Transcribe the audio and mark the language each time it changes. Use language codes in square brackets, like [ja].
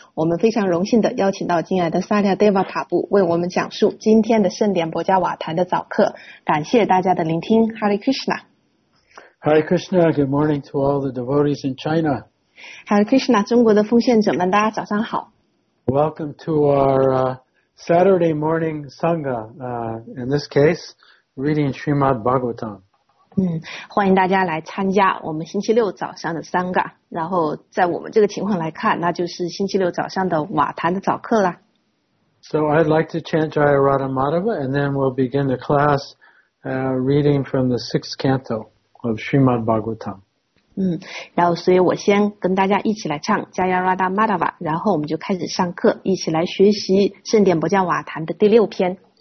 [zh] 我们非常荣幸的邀请到敬爱的萨利亚·德瓦塔布为我们讲述今天的圣典博加瓦坛的早课。感谢大家的聆听 ，Hare Krishna。 [en] Hare Krishna, good morning to all the devotees in China. [zh] Hare Krishna, 中国的奉献者们，大家早上好。 [en] Welcome to our Saturday morning sangha. In this case. Reading Srimad Bhagavatam. [zh] 欢迎大家来参加我们星期六早上的Sangha。然后在我们这个情况来看，那就是星期六早上的瓦坛的早课啦。 [en] So I'd like to chant Jaya Radha Madhava, and then we'll begin the class, reading from the sixth canto of Srimad Bhagavatam. [zh] 然后所以我先跟大家一起来唱 Jaya Radha Madhava, 然后我们就开始上课，一起来学习圣典博加瓦坛的第六篇。